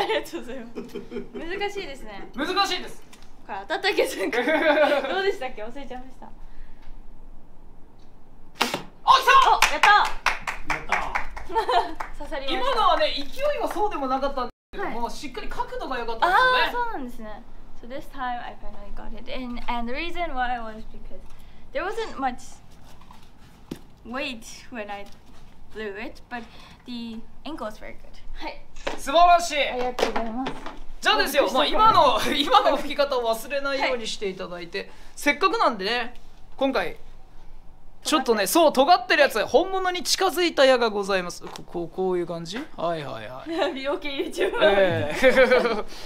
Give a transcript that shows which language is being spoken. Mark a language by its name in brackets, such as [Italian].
[Japanese] ありがとうございます。難しいですね。難しいです。これ当たったっけ、前回。どうでしたっけ、忘れちゃいました。あ、来た。お、やった。やった。刺さりました。今のはね、勢いはそうでもなかったんですけども、はい、しっかり角度が良かったですね。あ、そうなんですね。 [English] So this time I finally got it in, and the reason why was because there wasn't much weight when I blew it, but the ankle is very good. [Japanese] はい、素晴らしい。ありがとうございます。じゃあですよ、まあ、今の吹き方を忘れないようにしていただいて、はい、せっかくなんでね、今回ちょっとね、そう、尖ってるやつ、本物に近づいた矢がございます。こういう感じ。はいはいはい。病気 YouTuber、